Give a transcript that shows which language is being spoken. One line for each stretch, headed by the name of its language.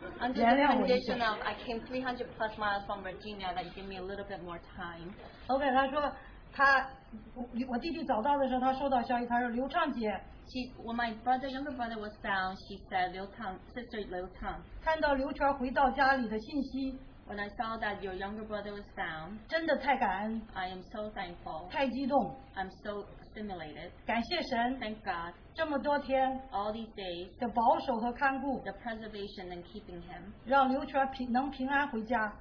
English: under the condition of I came 300 plus miles from Virginia, that you give me a little bit more time.
Chinese: Okay, 他说我弟弟找到的时候，他收到消息，他说刘畅姐。
English: When my younger brother was found, she said, Liu Tang, sister Liu Tang.
Chinese: 看到刘全回到家里的信息,
English: when I saw that your younger brother was found,
Chinese: 真的太感恩,
English: I am so thankful.
Chinese: 太激动,
English: I'm so stimulated.
Chinese: 感谢神,
English: thank God.
Chinese: 这么多天,
English: all these days,
Chinese: 的保守和看顾,
English: the preservation and keeping him,
Chinese: 让刘全能平安回家,